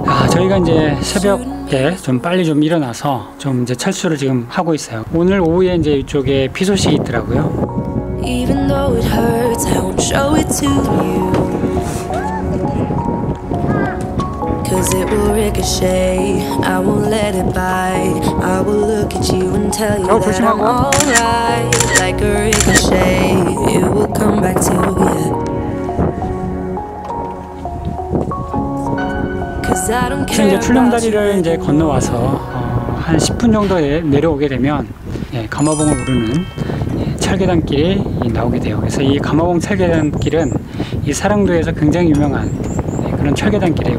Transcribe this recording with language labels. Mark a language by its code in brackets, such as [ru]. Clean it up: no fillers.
[ko] 저희가 이제 새벽에 좀 빨리 좀 일어나서 좀 이제 철수를 지금 하고 있어요. 오늘 오후에 이제 이쪽에 피소식이 있더라고요. [en] Even though it hurts, I won't show it to you. Cause it will ricochet. I won't let it bite. I will look at you and tell you that I'm alright. Like a ricochet, it will come back to you. Cause I don't care. [ko] 이제 출렁 다리를 이제 건너 와서 한 10분 정도에 내려오게 되면 가마봉을 오르는 철계단길이 나오게 돼요. 그래서 이 가마봉 철계단길은 이 사릉도에서 굉장히 유명한 그런 철계단길이에요.